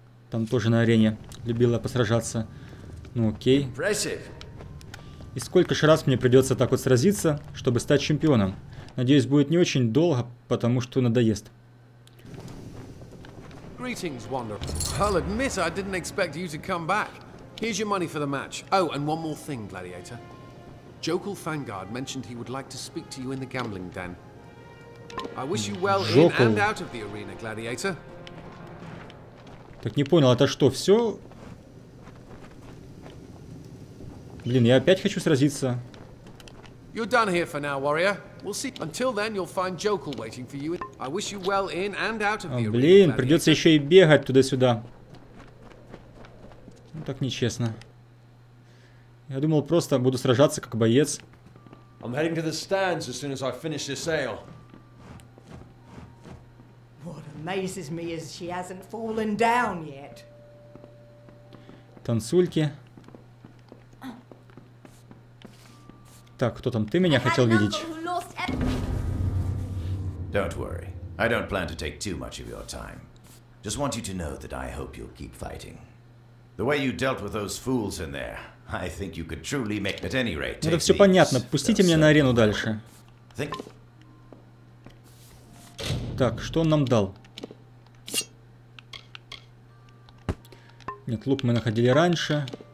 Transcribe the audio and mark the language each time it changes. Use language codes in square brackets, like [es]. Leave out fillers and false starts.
[ru] Там тоже на арене любила посражаться. Ну окей. [en] Impressive. [ru] И сколько же раз мне придется так вот сразиться, чтобы стать чемпионом? Надеюсь, будет не очень долго, потому что надоест. [en] Greetings, Wander. I'll admit I didn't expect you to come back. Here's your money for the match. Oh, and one more thing, Gladiator. Jokul Fangard mentioned he would like to speak to you in the gambling den. I wish you well Jokul. In and out of the arena, Gladiator. [ru] Так не понял, это что, все? Блин, я опять хочу сразиться. [en] You're done here for now, warrior. We'll see. Until then, you'll find Jokul waiting for you. I wish you well in and out of the arena. [ru] Блин, придется еще и бегать туда-сюда. Ну, так нечестно. Я думал, просто буду сражаться как боец. [en] I'm heading to the stands as soon as I finish this ale. Amazes me as she hasn't fallen down yet. [ru] Танцульки. Так, кто там? Ты меня хотел видеть? [en] Don't worry. I don't plan to take too much of your time. Just want you to know that I hope you'll keep fighting. The way you dealt with those fools in there, I think you could truly make at any rate. [ru] Это все понятно. Пустите меня на арену дальше. Так, что он нам дал? Нет, лук мы находили раньше.